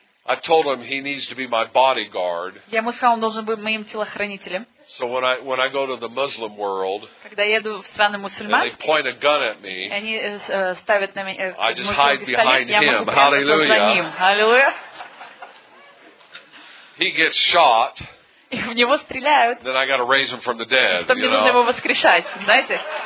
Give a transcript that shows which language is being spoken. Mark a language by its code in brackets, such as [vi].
[en] I told him he needs to be my bodyguard. [ru] Я ему сказал, он должен быть моим телохранителем. [en] So when I go to the Muslim world, [ru] когда я еду в страны мусульманские, [en] and they point a gun at me, [ru] они ставят на меня, [en] I just hide behind him. Hallelujah. He gets shot. [ru] И в него стреляют. [en] Then I got to raise him from the dead. [ru] Потом мне нужно его воскрешать, знаете?